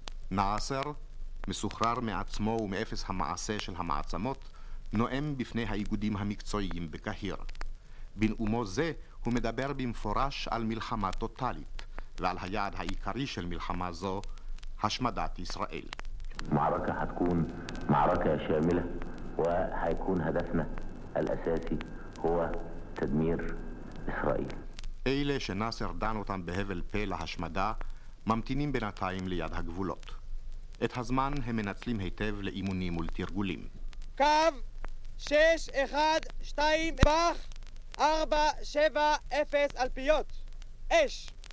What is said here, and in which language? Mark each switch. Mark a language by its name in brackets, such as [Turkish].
[Hebrew] נאסר, מסוחרר מעצמו ומאפס המעשה של המעצמות, נואם בפני האיגודים המקצועיים בקהיר. בנאומו זה הוא מדבר במפורש על מלחמה טוטלית. ועל היעד העיקרי של מלחמה זו, השמדת ישראל. מערכה התקון, מערכה שמלה, [Arabic] وهيكون هدفنا الأساسي هو تدمير إسرائيل. [Hebrew] אלה שנאסר דן אותם בהבל פה להשמדה, ממתינים בינתיים ליד הגבולות. את הזמן הם מנצלים היטב לאימונים ולתרגולים. קו 612 בח 470 אלפיות. אש.